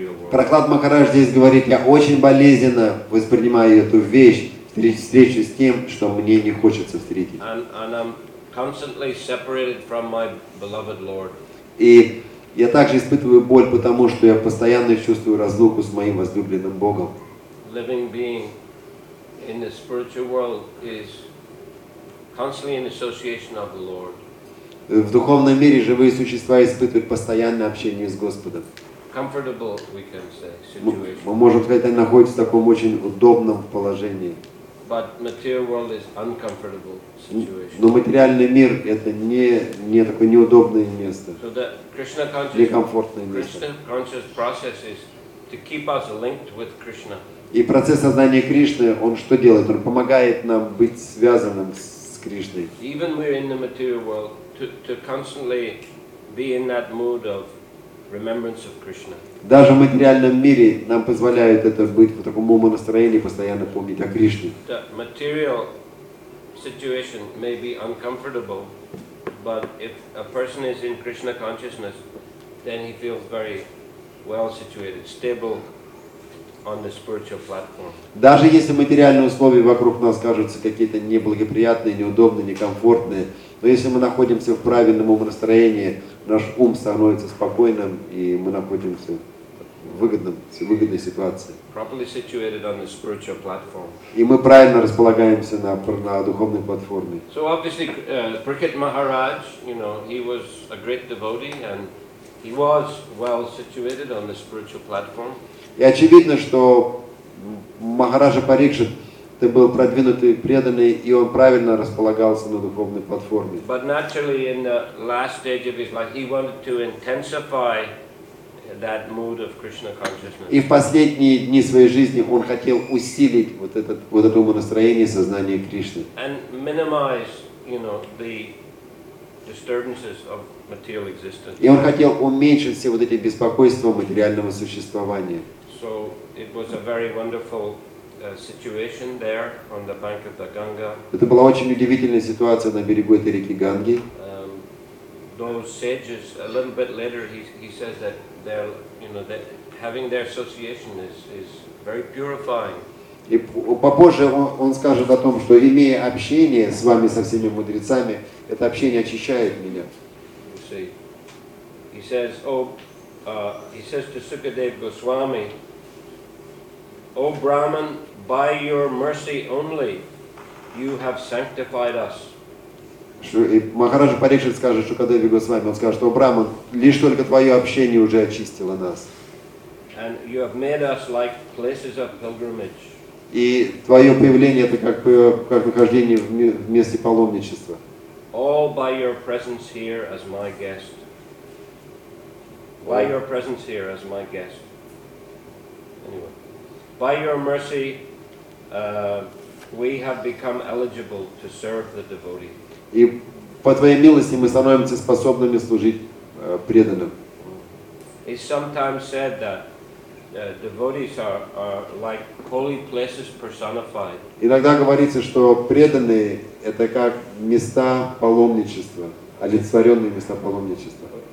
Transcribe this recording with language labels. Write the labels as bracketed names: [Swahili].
[Russian] Прохлад Махарадж здесь говорит, я очень болезненно воспринимаю эту вещь, встречу с тем, что мне не хочется встретить. [English] And I'm constantly separated from my beloved Lord. [Russian] И я также испытываю боль, потому что я постоянно чувствую разлуку с моим возлюбленным Богом. [English] Living being in the spiritual world is constantly in association of the Lord. [Russian] В духовном мире живые существа испытывают постоянное общение с Господом. [English] Comfortable, we can say, situation. [Russian] Мы можем сказать, они находятся в таком очень удобном положении. [English] But material world is uncomfortable situation. [Russian] Но материальный мир это не такое неудобное место. [English] So the Krishna consciousness, [Russian] некомфортное место. [English] Krishna conscious process is to keep us linked with Krishna. [Russian] И процесс сознания Кришны, он что делает? Он помогает нам быть связанным с Кришной. [English] Even we're in the material world, to constantly be in that mood of remembrance of Krishna. [Russian] Даже в материальном мире нам позволяет это быть в таком умом настроении, постоянно помнить о Кришне. [English] The material situation may be uncomfortable, but if a person is in Krishna consciousness, then he feels very well situated, stable on the spiritual platform. [Russian] Даже если материальные условия вокруг нас кажутся какие-то неблагоприятные, неудобные, некомфортные, но если мы находимся в правильном умом настроении, наш ум становится спокойным, и мы находимся в выгодной ситуации. [English] Properly situated on the spiritual platform. [Russian] И мы правильно располагаемся на духовной платформе. [English] So obviously, Prahlad Maharaj, you know, he was a great devotee, and he was well situated on the spiritual platform. [Russian] И очевидно, что Махараджа Парикшит, ты был продвинутый, преданный, и он правильно располагался на духовной платформе. [English] But naturally, in the last stage of his life, he wanted to intensify that mood of Krishna consciousness. [Russian] И в последние дни своей жизни он хотел усилить вот это умонастроение, сознание Кришны. [English] And minimize the disturbances of material existence. [Russian] И он хотел уменьшить все вот эти беспокойства материального существования. [English] So it was a very wonderful situation there on the bank of the Ganga. [Russian] Это была очень удивительная ситуация на берегу этой реки Ганги. [English] Those sages, a little bit later, he says that they're, that having their association is very purifying. [Russian] И попозже он скажет о том, что имея общение с вами, со всеми мудрецами, это общение очищает меня. [English] You see, he says to Sukadev Goswami, O Brahman, by your mercy only, you have sanctified us. [Russian] И Махарадж Парикшит скажет, что когда я бегу с вами, он скажет, что Брахман, лишь только твое общение уже очистило нас. [English] And you have made us like places of pilgrimage. [Russian] И твое появление это как выхождение в месте паломничества. [English] All by your presence here as my guest. By your presence here as my guest. Anyway. By your mercy, we have become eligible to serve the devotee. [Russian] И по твоей милости мы становимся способными служить преданным. [English] It's sometimes said that devotees are like holy places personified. [Russian] Иногда говорится, что преданные это как места паломничества, олицетворенные места паломничества.